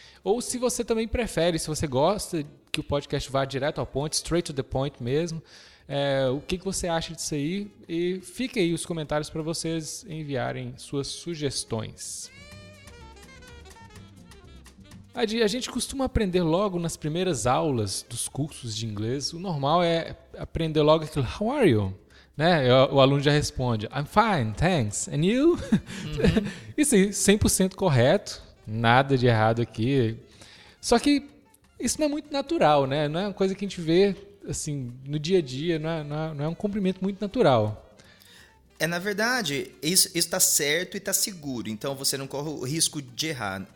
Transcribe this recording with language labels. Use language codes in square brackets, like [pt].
[pt] Ou se você também prefere, se você gosta que o podcast vá direto ao ponto, [en] straight to the point [pt] mesmo, o que que você acha disso aí? E fica aí os comentários para vocês enviarem suas sugestões. Adi, a gente costuma aprender logo nas primeiras aulas dos cursos de inglês. O normal é aprender logo aquilo, [en] how are you? [pt] Né? O aluno já responde, [en] I'm fine, thanks, and you? Uhum. [pt] Isso aí, 100% correto, nada de errado aqui. Só que isso não é muito natural, né? Não é uma coisa que a gente vê assim, no dia a dia, não é um cumprimento muito natural. É, na verdade, isso está certo e está seguro, então você não corre o risco de errar.